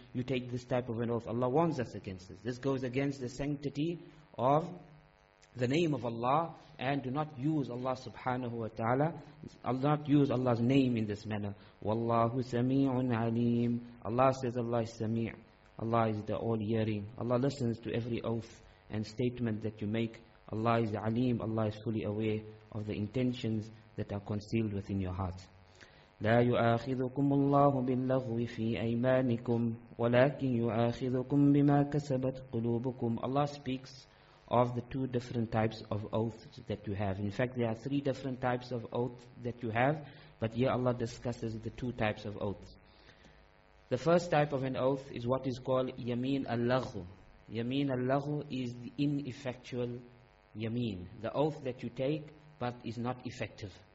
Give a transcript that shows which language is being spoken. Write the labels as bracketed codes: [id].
[en] You take this type of an oath. Allah warns us against this. This goes against the sanctity of the name of Allah, and do not use Allah subhanahu wa ta'ala, do not use Allah's name in this manner. [ar] Wallahu sami'un alim. [en] Allah says, Allah is sami'. Allah is the all-hearing. Allah listens to every oath and statement that you make. Allah is alim. Allah is fully aware of the intentions that are concealed within your heart. [ar] لا يؤاخذكم الله باللغو في أيمانكم ولكن يؤاخذكم بما كسبت قلوبكم. [en] Allah speaks of the two different types of oaths that you have. In fact, there are three different types of oaths that you have, but here Allah discusses the two types of oaths. The first type of an oath is what is called yameen al-laghu. Yameen al-laghu is the ineffectual yameen, the oath that you take but is not effective.